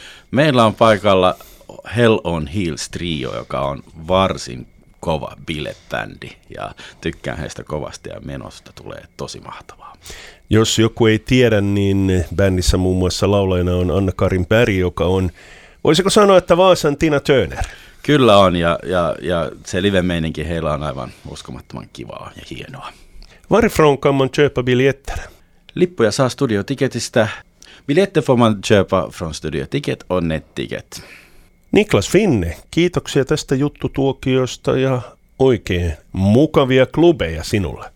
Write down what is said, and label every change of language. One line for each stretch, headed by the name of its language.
Finnish: Meillä on paikalla Hell on Heels -trio, joka on varsin kova bilebändi ja tykkään heistä kovasti ja menosta tulee tosi mahtavaa. Jos joku ei tiedä, niin bändissä muun muassa laulajana on Anna-Karin Päri, joka on, voisiko sanoa, että Vaasan Tina Turner? Kyllä on, ja se live-meininki heillä on aivan uskomattoman kivaa ja hienoa.
Swedish: Varifrån kan man köpa biljetter?
Finnish: Lippuja saa studiotiketistä.
Swedish: Biljetter får man köpa från studiotiket on nettiket.
Finnish: Niklas Finne, kiitoksia tästä juttutuokiosta ja oikein mukavia klubeja sinulle.